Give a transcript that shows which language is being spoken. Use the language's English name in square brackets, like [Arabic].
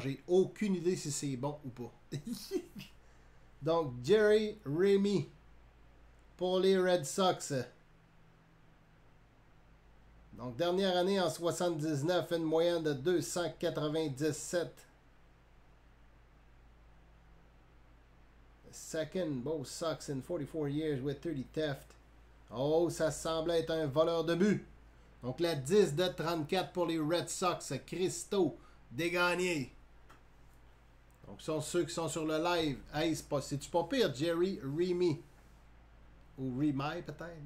[French] J'ai aucune idée si c'est bon ou pas. Donc, Jerry Remy. Pour les Red Sox. Donc, dernière année en 79, une moyenne de 297. [English] The second most Sox in 44 years with 30 theft. [French] Oh, ça semblait être un voleur de but. Donc, la 10 de 34 pour les Red Sox. Christo, dégagné. Donc, sont ceux qui sont sur le live. Hey, c'est-tu pas pire, Jerry Remy? Ou Remy, peut-être?